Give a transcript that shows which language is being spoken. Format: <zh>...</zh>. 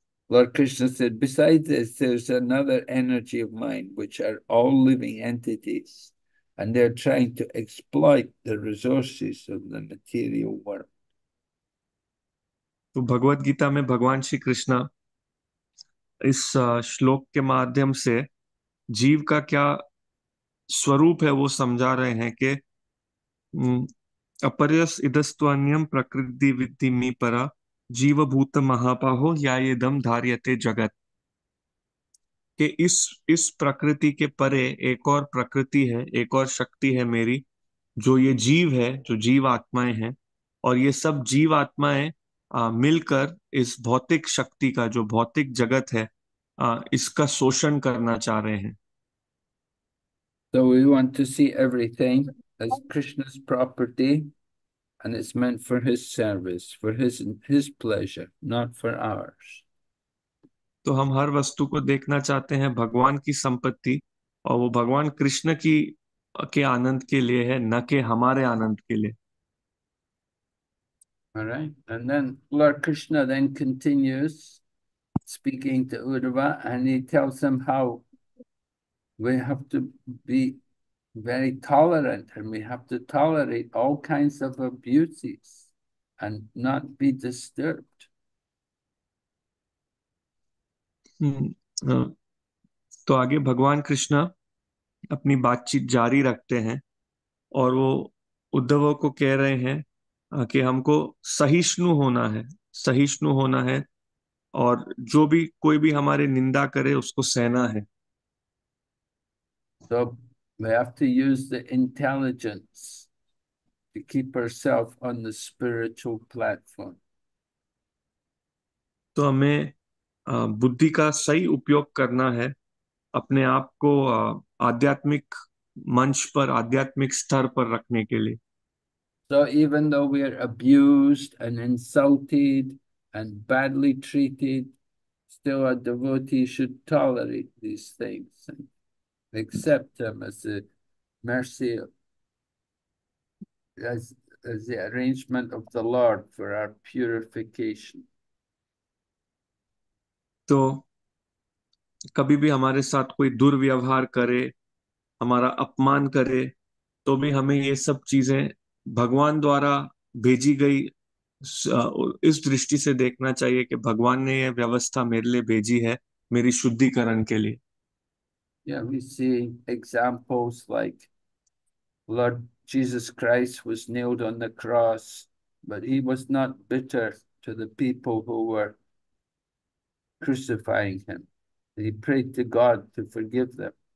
<en>Lord Krishna said, besides this, there's another energy of mind which are all living entities, and they're trying to exploit the resources of the material world.</en> <hi>तो भगवद गीता में भगवान श्री कृष्णा इस श्लोक के माध्यम से जीव का क्या स्वरूप है वो समझा रहे हैं कि</hi> <sa>अपरयस इदस्त्वान्यम प्रकृति विद्धि मी परा जीव भूत महाबाहो या इदम धार्यते जगत,</sa> <hi>के इस प्रकृति के परे एक और प्रकृति है, एक और शक्ति है मेरी, जो ये जीव है, जो जीव आत्माएं हैं, और ये सब जीव आत्माएं मिलकर इस भौतिक शक्ति का, जो भौतिक जगत है, इसका शोषण करना चाह रहे हैं।</hi> <en>So we want to see everything as Krishna's property, and it's meant for his service, for his pleasure, not for ours.</en> <hi>तो हम हर वस्तु को देखना चाहते हैं भगवान की संपत्ति, और वो भगवान कृष्ण की के आनंद के लिए है, न के हमारे आनंद के लिए।</hi> <en>All right, and then Lord Krishna then continues speaking to Uddhava, and he tells him how we have to be very tolerant, and we have to tolerate all kinds of abuses and not be disturbed.</en> <hi>तो आगे भगवान कृष्ण अपनी बातचीत जारी रखते हैं और वो उद्धव को कह रहे हैं कि हमको सहिष्णु होना है, सहिष्णु होना है, और जो भी कोई भी हमारे निंदा करे उसको सहना है।</hi> <en>So we have to use the intelligence to keep ourselves on the spiritual platform.</en> <hi>तो हमें बुद्धि का सही उपयोग करना है, अपने आप को आध्यात्मिक मंच पर, आध्यात्मिक स्तर पर रखने के लिए।</hi> <en>So even though we are abused and insulted and badly treated, still a devotee should tolerate these things. Accept them as a mercy, as the arrangement of the Lord for our purification.</en> <hi>तो कभी भी हमारे साथ कोई दुर्व्यवहार करे, हमारा अपमान करे, तो भी हमें ये सब चीजें भगवान द्वारा भेजी गई इस दृष्टि से देखना चाहिए कि भगवान ने यह व्यवस्था मेरे लिए भेजी है, मेरी शुद्धिकरण के लिए।</hi> <en>Yeah, we see examples like Lord Jesus Christ was nailed on the cross, but he was not bitter to the people who were crucifying him. He prayed to God to forgive them.</en>